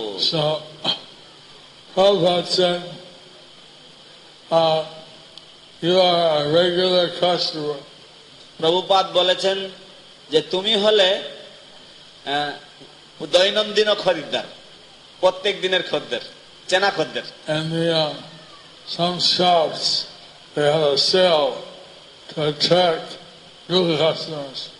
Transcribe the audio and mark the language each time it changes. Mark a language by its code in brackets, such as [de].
[en] So, Prabhupada said, you are a regular customer. [bn] Prabhupada বলেছেন যে তুমি হলে দৈনন্দিন খরিদ্দার, প্রত্যেক দিনের খরিদ্দার, চেনা খরিদ্দার। [en] And they have some shops, they have a sale to attract new customers.